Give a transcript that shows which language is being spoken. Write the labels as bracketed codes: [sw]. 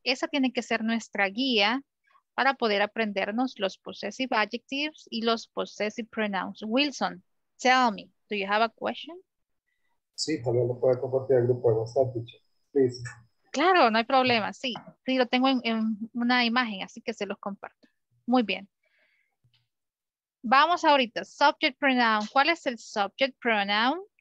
[es] Esa tiene que ser nuestra guía para poder aprendernos los possessive adjectives y los possessive pronouns. [en] Wilson, tell me, do you have a question? [es] Sí, también lo puede compartir el grupo de WhatsApp, teacher. [en] Please. [es] Claro, no hay problema, sí. Sí, lo tengo en una imagen, así que se los comparto. Muy bien. Vamos ahorita, subject pronoun. ¿Cuál es el subject pronoun?